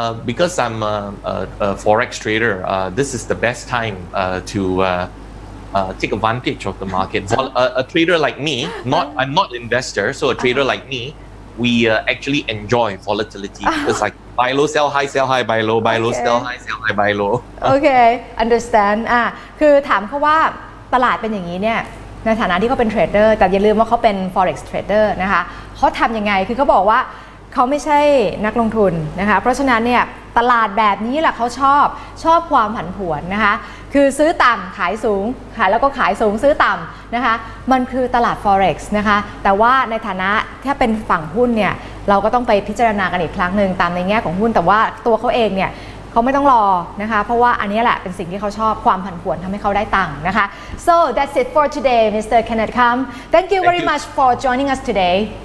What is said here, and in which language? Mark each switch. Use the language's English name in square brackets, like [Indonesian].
[English] Because I'm a forex trader, this is the best time to take advantage of the market. Well, a trader like me, I'm not an investor, so a trader like me, we actually enjoy volatility. It's like buy low, sell high, sell high, buy low, buy low, sell high, sell high, buy low. Okay, understand. [Thai] คือถามเขาว่าตลาดเป็นอย่างนี้เนี่ยในฐานะที่เขาเป็นเทรดเดอร์แต่อย่าลืมว่าเขาเป็น forex trader นะคะเขาทำยังไงคือเขาบอกว่า เขาไม่ใช่นักลงทุนนะคะเพราะฉะนั้นเนี่ยตลาดแบบนี้แหละเขาชอบความผันผวนนะคะคือซื้อต่ำขายสูงขายแล้วก็ขายสูงซื้อต่ำนะคะมันคือตลาด forex นะคะแต่ว่าในฐานะที่เป็นฝั่งหุ้นเนี่ยเราก็ต้องไปพิจารณากันอีกครั้งนึงตามในแง่ของหุ้นแต่ว่าตัวเขาเองเนี่ยเขาไม่ต้องรอนะคะเพราะว่าอันนี้แหละเป็นสิ่งที่เขาชอบความผันผวนทำให้เขาได้ตังค์นะคะ [English] So that's it for today Mr. Kenneth Kam Thank you very much for joining us today